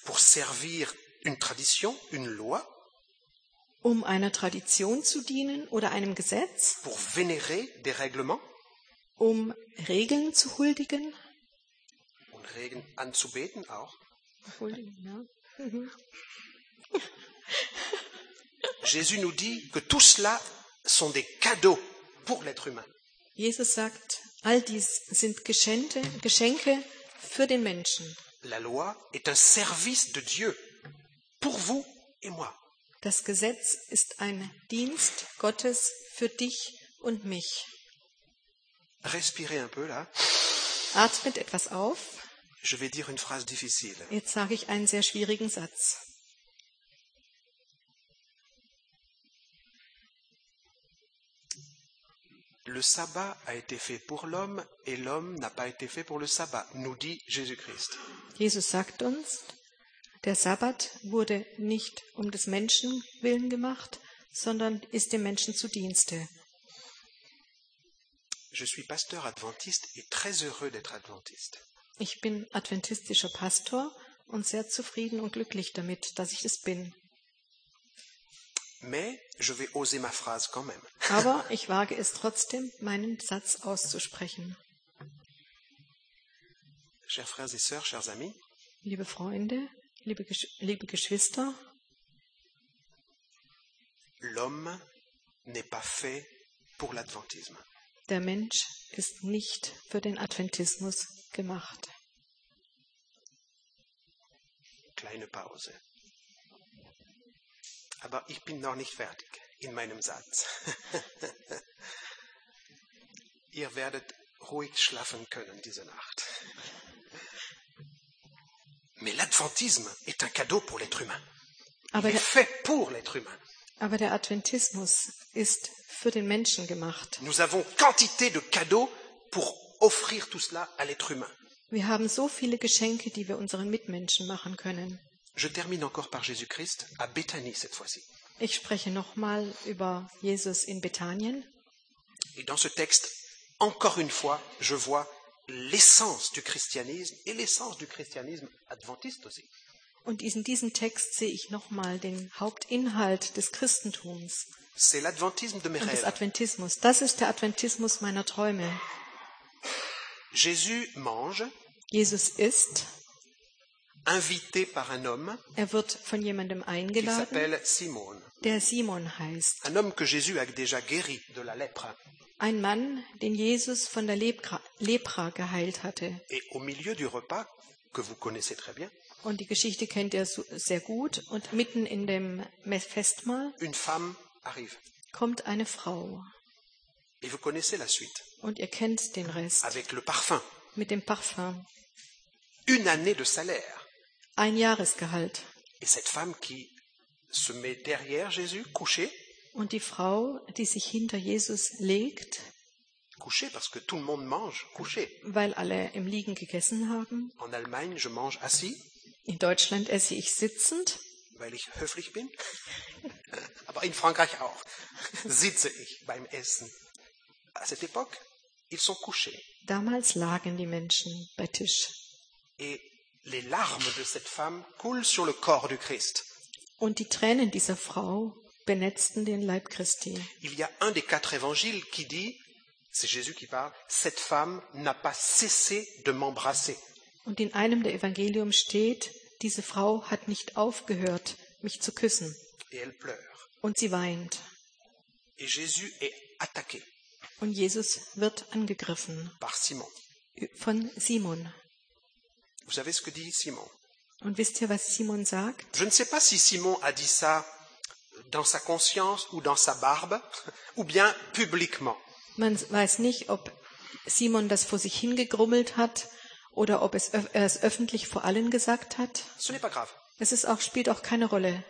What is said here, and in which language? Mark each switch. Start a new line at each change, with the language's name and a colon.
French: Pour servir une tradition, une loi?
German: Um einer Tradition zu dienen oder einem Gesetz?
French: Pour vénérer des règlements?
German: Um Regeln zu huldigen? Und Regeln anzubeten auch? Huldigen, ja.
French: Jésus nous dit que tout cela sont des cadeaux pour l'être humain.
German: Jesus sagt, all dies sind Geschenke für den Menschen.
French: La loi est un service de Dieu pour vous et moi.
German: Das Gesetz ist ein Dienst Gottes für dich und mich.
French: Respirez un peu là.
German: Atmet etwas auf.
French: Je vais dire une phrase difficile.
German: Jetzt sage ich einen sehr schwierigen Satz.
French: Le sabbat a été fait pour l'homme et l'homme n'a pas été fait pour le sabbat, nous dit Jésus-Christ.
German: Jesus sagt uns, der Sabbat wurde nicht um des Menschen willen gemacht, sondern ist dem Menschen zu Dienste.
French: Je suis pasteur adventiste et très heureux d'être adventiste.
German: Ich bin adventistischer Pastor und sehr zufrieden und glücklich damit, dass ich es bin.
French: Mais je vais oser ma phrase quand même.
German: Aber ich wage es trotzdem, meinen Satz auszusprechen.
French: Chers frères et sœurs, chers amis.
German: Liebe Freunde, liebe Geschwister.
French: L'homme n'est pas fait pour l'adventisme.
German: Der Mensch ist nicht für den Adventismus gemacht. Kleine Pause. Aber ich bin noch nicht fertig in meinem Satz. Ihr werdet ruhig schlafen können diese Nacht.
French: Mais l'adventisme est un cadeau pour l'être humain.
German: Aber
French: il est fait pour l'être humain.
German: Aber der Adventismus ist für den Menschen gemacht.
French: Nous avons quantité de cadeaux pour offrir tout cela à l'être humain.
German: Wir haben so viele Geschenke, die wir unseren Mitmenschen machen können.
French: Je termine encore par Jésus-Christ à Bethanie cette fois-ci.
German: Ich spreche nochmal über Jesus in Bethanien.
French: Et dans ce texte, encore une fois, je vois l'essence du christianisme et l'essence du christianisme adventiste aussi.
German: Und in diesem Text sehe ich nochmal den Hauptinhalt des Christentums.
French: C'est l'adventisme de mes rêves.
German: Des Adventismus. Das ist der Adventismus meiner Träume.
French: Jésus mange.
German: Jesus isst.
French: Invité par un homme.
German: Er wird von jemandem eingeladen.
French: Qui s'appelle Simon.
German: Der Simon heißt.
French: Un homme que Jésus a déjà guéri de la lèpre.
German: Ein Mann, den Jesus von der Lepra geheilt hatte.
French: Et au milieu du repas que vous connaissez très bien.
German: Und die Geschichte kennt ihr sehr gut. Und mitten in dem Festmahl.
French: Une femme arrive.
German: Kommt eine Frau.
French: Et vous connaissez la suite.
German: Und ihr kennt den Rest.
French: Avec le parfum.
German: Mit dem Parfum.
French: Une année de salaire.
German: Ein Jahresgehalt.
French: Et cette femme qui se met derrière Jésus, couchée.
German: Und die Frau, die sich hinter Jesus legt.
French: Couchée parce que tout le monde mange couché.
German: Weil alle im Liegen gegessen haben.
French: En Allemagne, je mange assis.
German: In Deutschland esse ich sitzend. Weil ich höflich bin. Aber in Frankreich auch. Sitze ich beim Essen.
French: À cette époque, ils sont couchés.
German: Damals lagen die Menschen bei Tisch.
French: Et les larmes de cette femme coulent sur le corps du Christ.
German: Und die Tränen dieser Frau benetzten den Leib Christi.
French: Il y a un des quatre évangiles qui dit, c'est Jésus qui parle, cette femme n'a pas cessé de m'embrasser.
German: Und in einem der Evangelium steht, diese Frau hat nicht aufgehört, mich zu küssen.
French: Et elle pleure.
German: Und sie weint.
French: Et Jésus est attaqué.
German: Und Jesus wird angegriffen.
French: Par Simon.
German: Von Simon.
French: Vous savez ce que dit Simon?
German: Und wisst ihr, was Simon sagt?
French: Je ne sais pas si Simon a dit ça dans sa conscience ou dans sa barbe ou bien publiquement.
German: Man weiß nicht, ob Simon das vor sich hingegrummelt hat oder ob er es öffentlich vor allen gesagt hat.
French: Ce n'est pas grave.
German: Es ist auch, spielt auch keine Rolle.